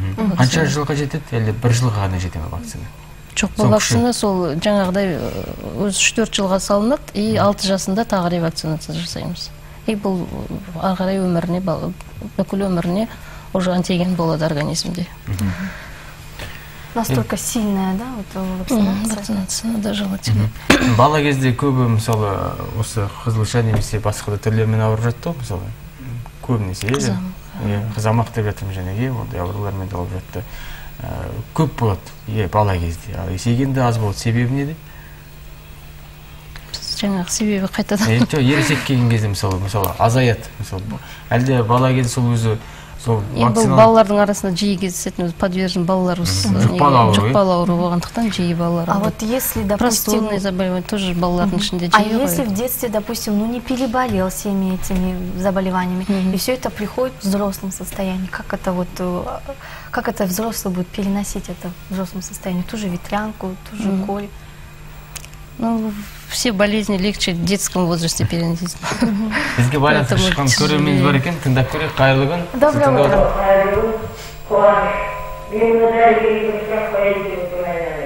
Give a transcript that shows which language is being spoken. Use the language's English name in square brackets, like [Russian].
[Kazakh] Қанша жылға жетеді, әлде бір жылға ғана жете ме вакцина? Жоқ, бұл вакцина сол жаңағыдай 3-4 жылға салынады, и 6 жасында тағы ревакцинация жасаймыз. И бұл ары қарай өміріне, бүкіл өміріне уже антиген болады организмде. [Russian] Настолько сильная, да, вот вакцинация? Да, желательно. [Kazakh] Бала кезде көбі, мысалы, осы қызылша немесе басқа да түрлермен ауырып жатты, мысалы, көбінесе, қызамақ деп жатырмын және, ондай аурулармен де ауырып жатты. Көп болады, бала кезде. Ал есейгенде аз болады. Себебі неде? Біз жаңағы себебі қайтадан. Жоқ, ересек келген кезде мысалы азаяды. Мысалы, әлде бала кезде сол өзі сол вакцина. Бұл балалардың арасында жиі кездесетін, подвержен балалар осы. Жұқпалы ауру болғандықтан жиі балалар. [Russian] А вот если, допустим, простудный заболевание тоже [Kazakh] балалардың ішінде жиі. [Russian] А если в детстве, допустим, ну не переболел всеми этими заболеваниями, и все это приходит в взрослом состоянии, как это вот, как это взрослый будет переносить это в взрослом состоянии? Ту же ветрянку, ту же коль. Ну, все болезни легче в детском возрасте переносить. [Kazakh] Бізге байланысқа шыққан көрерменіміз бар екен, тыңдап көрейік, қайырлы күн. [Russian] Доброе утро. [Kazakh] Қайырлы күн, қуаныш. Мен мына жерге бір сұрақ қояйын деп отырмын.